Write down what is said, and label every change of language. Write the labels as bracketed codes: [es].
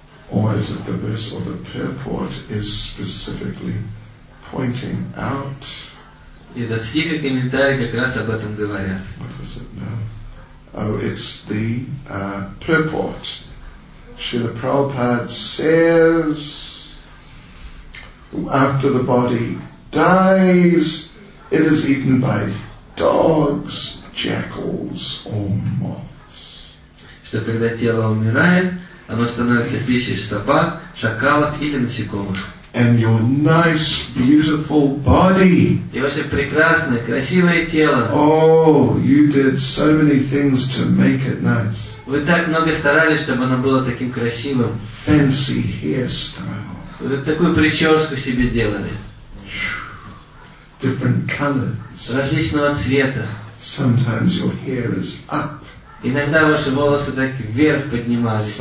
[en] Or is it the verse or the purport is specifically pointing out? [ru] Этот стих и комментарий как раз об этом говорят. [en] What is it now? Oh, it's the purport. Srila Prabhupada says, after the body dies, it is eaten by dogs, jackals, or moths. [ru] Что когда тело умирает, оно становится пищей собак, шакалов или насекомых. [en] And your nice, beautiful body. [ru] И ваше прекрасное, красивое тело. [en] Oh, you did so many things to make it nice. [ru] Вы так много старались, чтобы оно было таким красивым. [en] Fancy hairstyle. [ru] Вы такую прическу себе делали. [en] Different colors. [ru] Различного цвета. [en] Sometimes your hair is up. [ru] Иногда ваши волосы так вверх поднимались.